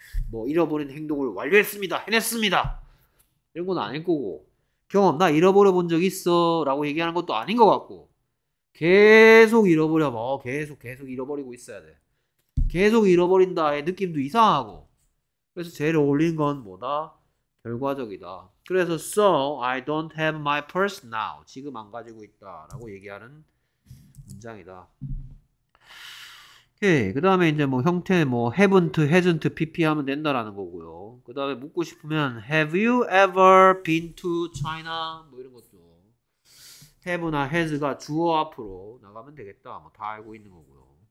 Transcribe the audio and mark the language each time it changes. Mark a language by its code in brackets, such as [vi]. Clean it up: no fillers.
[ko] 뭐, 잃어버린 행동을 완료했습니다. 해냈습니다. 이런 건 아닐 거고. 경험, 나 잃어버려 본적 있어. 라고 얘기하는 것도 아닌 것 같고. 계속 잃어버려 봐. 계속 잃어버리고 있어야 돼. 계속 잃어버린다의 느낌도 이상하고. 그래서 제일 어울리는 건 뭐다? 결과적이다. [en] 그래서 So, I don't have my purse now. [ko] 지금 안 가지고 있다. 라고 얘기하는 문장이다. 오케이. 그 다음에 이제 뭐 형태 뭐 haven't, hasn't, pp 하면 된다라는 거고요. 그 다음에 묻고 싶으면 Have you ever been to China? 뭐 이런 것도. Have나 has가 주어 앞으로 나가면 되겠다. 뭐다 알고 있는 거고요.